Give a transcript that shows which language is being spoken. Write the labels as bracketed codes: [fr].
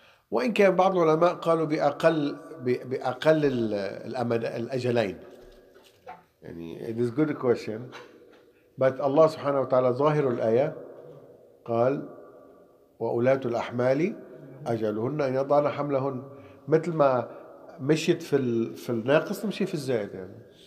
[ar] وإن كان بعض العلماء قالوا بأقل الأجلين. [en] يعني it is good question. But [ar] الله سبحانه وتعالى ظاهر الآية قال وأولاة الأحمال أجلهن أن يضعن حملهن. مثل ما مشيت في الناقص تمشي في الزائد يعني.